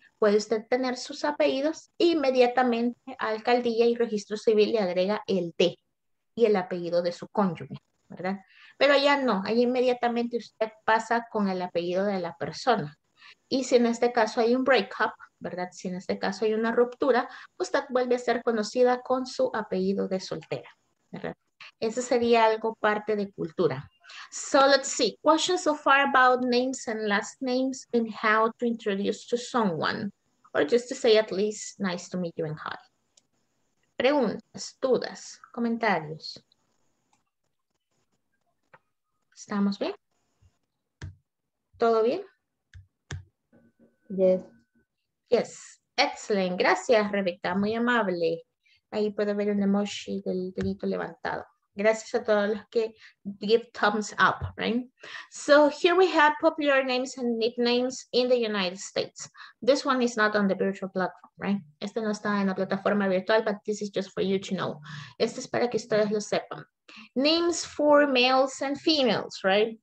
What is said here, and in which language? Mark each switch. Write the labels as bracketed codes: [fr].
[es] Puede usted tener sus apellidos e inmediatamente a alcaldía y registro civil le agrega el D y el apellido de su cónyuge, ¿verdad? Pero allá no. Allá inmediatamente usted pasa con el apellido de la persona. Y si en este caso hay un breakup, ¿verdad? Si en este caso hay una ruptura, usted vuelve a ser conocida con su apellido de soltera, ¿verdad? Eso sería algo parte de cultura. [en] So let's see. Questions so far about names and last names and how to introduce to someone. Or just to say at least nice to meet you and hi. [es] Preguntas, dudas, comentarios. ¿Estamos bien? ¿Todo bien? [en] Yes. [es] Yes. Excellent. Gracias, Rebecca. Muy amable. Ahí puede ver un emoji del dedito levantado. Gracias a todos los que [en] give thumbs up, right? So here we have popular names and nicknames in the United States. This one is not on the virtual platform, right? [es] Este no está en la plataforma virtual, [en] but this is just for you to know. [es] Este es para que ustedes lo sepan. [en] Names for males and females, right?